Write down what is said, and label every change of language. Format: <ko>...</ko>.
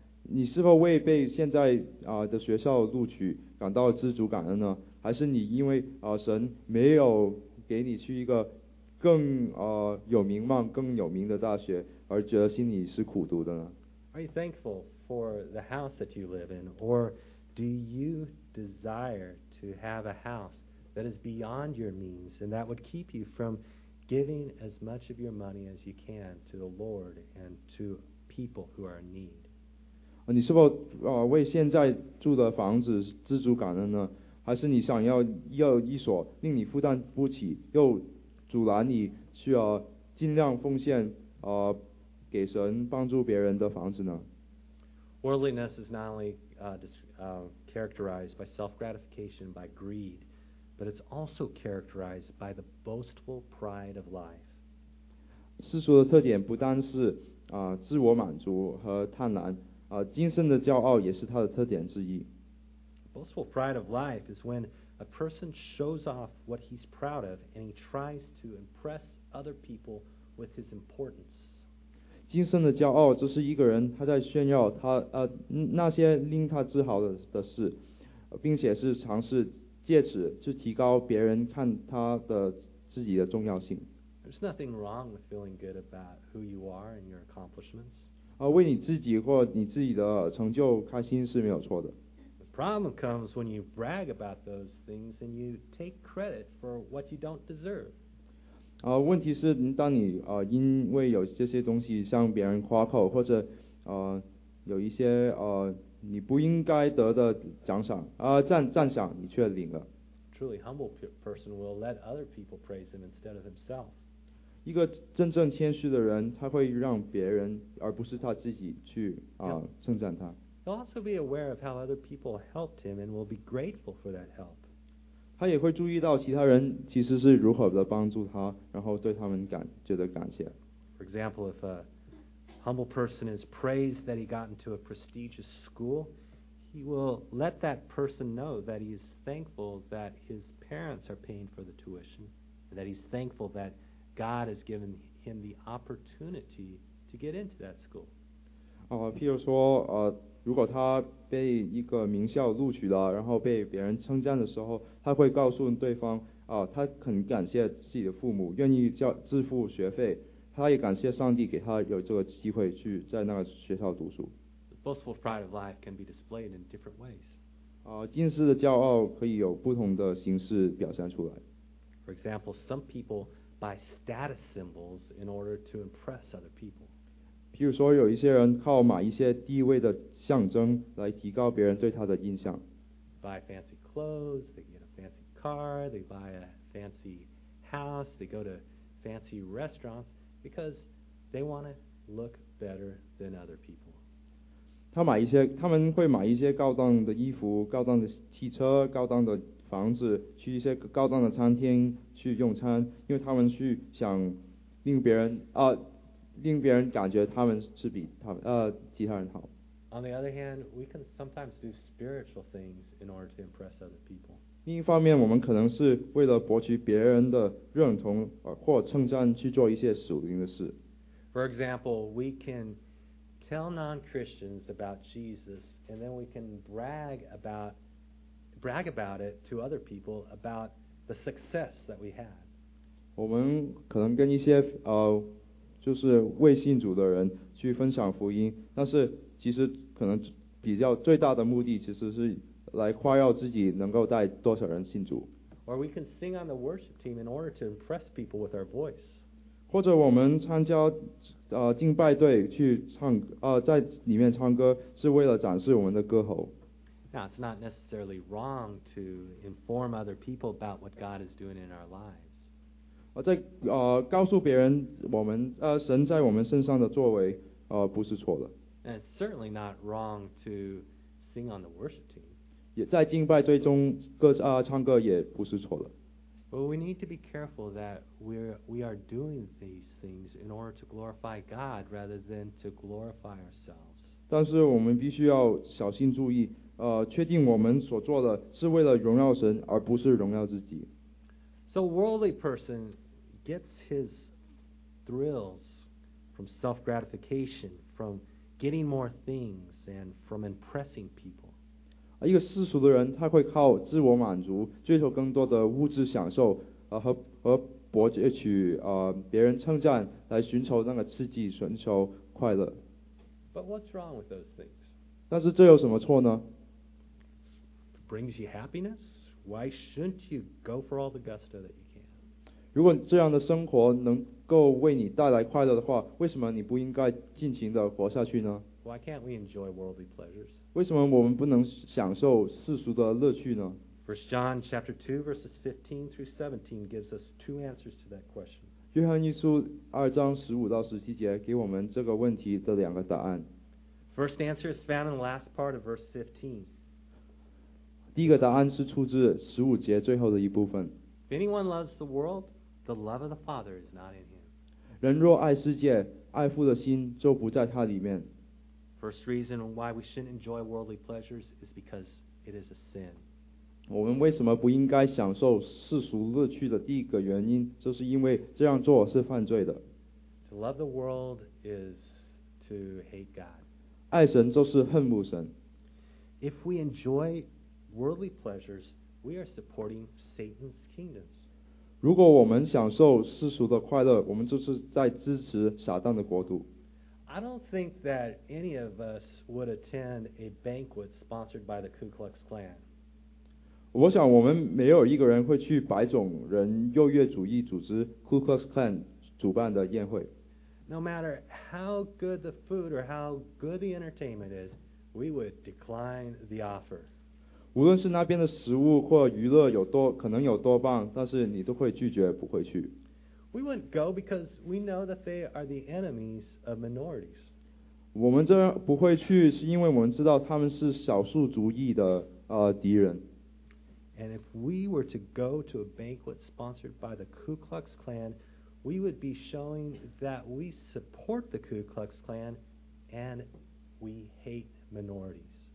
<zh>你是否为被现在的学校录取感到知足感恩呢？还是你因为神没有给你去一个更有名望、更有名的大学？而觉得心里是苦读的呢？</zh> <en>Are you thankful for the house that you live in, or do you desire to have a house that is beyond your means and that would keep you from giving as much of your money as you can to the Lord and to people who are in need?</en> <zh>你是否为现在住的房子知足感恩呢？还是你想要一所令你负担不起又阻拦你需要尽量奉献给神帮助别人的房子呢？</zh> <en>Worldliness is not only characterized by self-gratification, by greed, but it's also characterized by the boastful pride of life.</en> <zh>世俗的特点不单是自我满足和贪婪，今生的骄傲也是它的特点之一。</zh> <en>Boastful pride of life is when a person shows off what he's proud of and he tries to impress other people with his importance.</en> <zh>今生的骄傲，这是一个人他在炫耀他那些令他自豪的事，并且是尝试借此去提高别人看他的自己的重要性。</zh> <en>There's nothing wrong with feeling good about who you are and your accomplishments.</en> <zh>为你自己或你自己的成就开心是没有错的。</zh> <en>The problem comes when you brag about those things and you take credit for what you don't deserve.</en> <zh>问题是当你因为有这些东西向别人夸口或者有一些你不应该得的奖赏赞赏你却领了。</zh> <en>Truly humble person will let other people praise him instead of himself.</en> <zh>一个真正谦虚的人他会让别人而不是他自己去称赞他。</zh> <en>He'll also be aware of how other people helped him and will be grateful for that help.</en> <zh>他也会注意到其他人其实是如何的帮助他然后对他们觉得感谢。</zh> <en>For example, if a humble person is praised that he got into a prestigious school, he will let that person know that he is thankful that his parents are paying for the tuition, and that he's thankful that God has given him the opportunity to get into that school.</en> <zh>譬如说如果他被一个名校录取了然后被别人称赞的时候他会告诉对方他很感谢自己的父母愿意支付学费他也感谢上帝给他有这个机会去在那个学校读书。</zh> <en>The boastful pride of life can be displayed in different ways.</en> <zh>今世的骄傲可以有不同的形式表现出来。</zh> <en>For example, some people buy status symbols in order to impress other people.</en> <zh>譬如说有一些人靠买一些地位的象征来提高别人对他的印象。</zh> <en>They buy fancy clothes, they get a fancy car, they buy a fancy house, they go to fancy restaurants. Because they want to look better than other people.</en> <zh>他们会买一些高档的衣服、高档的汽车、高档的房子，去一些高档的餐厅去用餐，因为他们去想令别人感觉他们是比他们其他人好。</zh> <en>On the other hand, we can sometimes do spiritual things in order to impress other people.</en> <zh>另一方面我们可能是为了博取别人的认同或称赞去做一些属灵的事。</zh> <en>For example, we can tell non-Christians about Jesus and then we can brag about it to other people about the success that we had.</en> <zh>我们可能跟一些就是未信主的人去分享福音但是其实可能比较最大的目的其实是来夸耀自己能够带多少人信主。</zh> <en>Or we can sing on the worship team in order to impress people with our voice.</en> <zh>或者我们参加敬拜队去唱在里面唱歌是为了展示我们的歌喉。</zh> <en>Now it's not necessarily wrong to inform other people about what God is doing in our lives.</en> <zh>在告诉别人我们神在我们身上的作为不是错的。</zh> <en>And it's certainly not wrong to sing on the worship team.</en> <zh>也在敬拜最终唱歌也不是错的。</zh> <en>But we need to be careful that we are doing these things in order to glorify God rather than to glorify ourselves.</en> <zh>但是我们必须要小心注意确定我们所做的是为了荣耀神而不是荣耀自己。</zh> <en>So a worldly person gets his thrills from self-gratification, from getting more things and from impressing people.</en> <zh>一个世俗的人他会靠自我满足追求更多的物质享受和博取别人称赞来寻求那个刺激寻求快乐</zh> <en>But what's wrong with those things?</en> <zh>但是这有什么错呢</zh> <en>brings you happiness? Why shouldn't you go for all the gusto that you can?</en> <zh>如果这样的生活能够为你带来快乐的话为什么你不应该尽情地活下去呢</zh> <en>Why can't we enjoy worldly pleasures?</en> <zh>为什么我们不能享受世俗的乐趣呢</zh> <en>？First John chapter 2 verses 15 through 17 gives us two answers to that question.</en> <zh>约翰一书二章十五到十七节给我们这个问题的两个答案。</zh> <en>First answer is found in the last part of verse 15.</en> <zh>第一个答案是出自十五节最后的一部分。</zh> <en>If anyone loves the world, the love of the Father is not in him.</en> <zh>人若爱世界，爱父的心就不在他里面。</zh> <en>First reason why we shouldn't enjoy worldly pleasures is because it is a sin.</en> <zh>我们为什么不应该享受世俗乐趣的第一个原因，就是因为这样做是犯罪的。</zh> <en>To love the world is to hate God.</en> <zh>爱神就是恨慕神。</zh> <en>If we enjoy worldly pleasures, we are supporting Satan's kingdoms.</en> <zh>如果我们享受世俗的快乐，我们就是在支持撒旦的国度。</zh> <en>I don't think that any of us would attend a banquet sponsored by the Ku Klux Klan.</en> <zh>我想我们没有一个人会去白种人右翼主义组织 Ku Klux Klan 主办的宴会。</zh> <en>No matter how good the food or how good the entertainment is, we would decline the offer.</en> <zh>无论是那边的食物或娱乐有多可能有多棒，但是你都会拒绝不会去。</zh> <en>We wouldn't go because we know that they are the enemies of minorities.</en> <zh>我们这不会去是因为我们知道他们是少数族裔的敌人。</zh> <en>And if we were to go to a banquet sponsored by the Ku Klux Klan, we would be showing that we support the Ku Klux Klan and we hate minorities.</en>